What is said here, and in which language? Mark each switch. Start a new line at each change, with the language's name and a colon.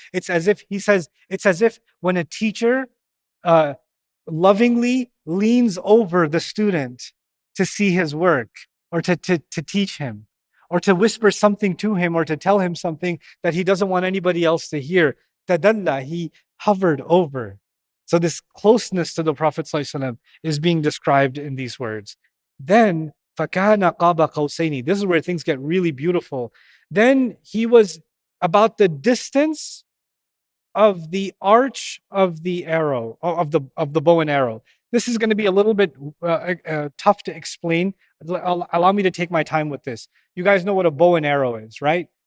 English: It's as if, he says, it's as if when a teacher lovingly leans over the student to see his work or to teach him or to whisper something to him or to tell him something that he doesn't want anybody else to hear. Tadalla, he hovered over. So this closeness to the Prophet ﷺ is being described in these words. Then,
Arabic: فَكَانَ قَابَ قَوْسَيْنِ.
English: This is where things get really beautiful. Then he was about the distance of the arch of the arrow, of the bow and arrow. This is going to be a little bit tough to explain. Allow me to take my time with this. You guys know what a bow and arrow is, right?